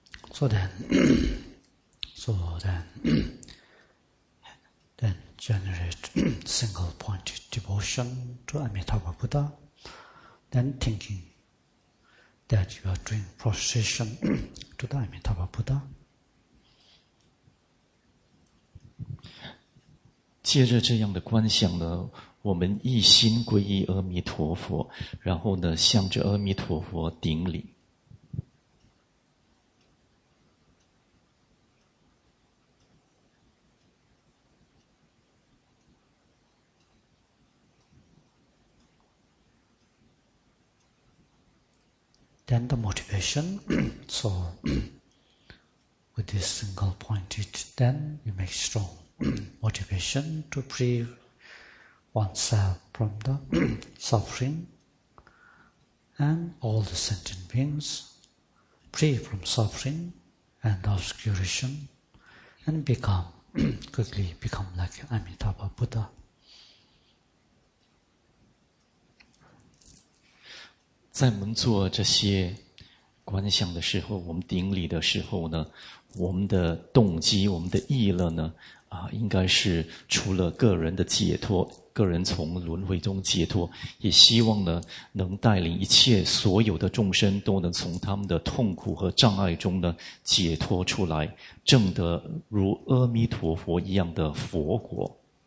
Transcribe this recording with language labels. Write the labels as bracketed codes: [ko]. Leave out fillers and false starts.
[zh] 坐等坐等等 [en] generate single point devotion to Amitabha Buddha, then thinking that you are doing prostration to the Amitabha Buddha. [zh] 借着这样的观想呢，我们一心皈依阿弥陀佛，然后呢向着阿弥陀佛顶礼。 [en] Then the motivation, so with this single pointed, then you make strong motivation to free oneself from the suffering and all the sentient beings, free from suffering and obscuration, and become, quickly become like Amitabha Buddha. [zh] 在我们做这些观想的时候，我们顶礼的时候呢，我们的动机，我们的意乐呢，应该是除了个人的解脱，个人从轮回中解脱，也希望呢，能带领一切所有的众生都能从他们的痛苦和障碍中呢解脱出来，证得如阿弥陀佛一样的佛果。